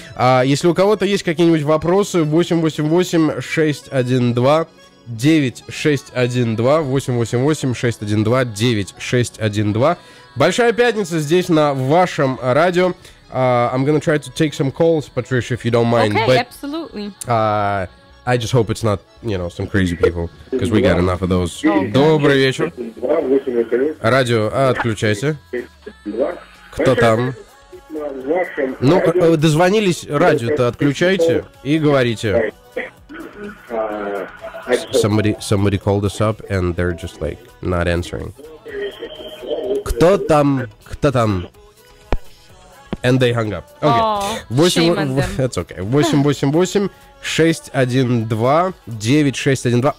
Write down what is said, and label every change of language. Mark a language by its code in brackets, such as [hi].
[ru] Если у кого-то есть какие-нибудь вопросы, 888-612 9612 888-612 9612. Большая пятница здесь на вашем радио. [en] I'm gonna try to take some calls, Patricia, if you don't mind. Okay, but, absolutely. I just hope it's not, you know, some crazy people, because we got enough of those. [ru] Добрый вечер. Радио, отключайся. Кто там? Ну, дозвонились, радио-то отключайте и говорите. [en] Somebody called us up and they're just like not answering. [ru] Кто там? Кто там? [en] And they hung up. Okay. Oh, 8, that's okay. 888-612-9612.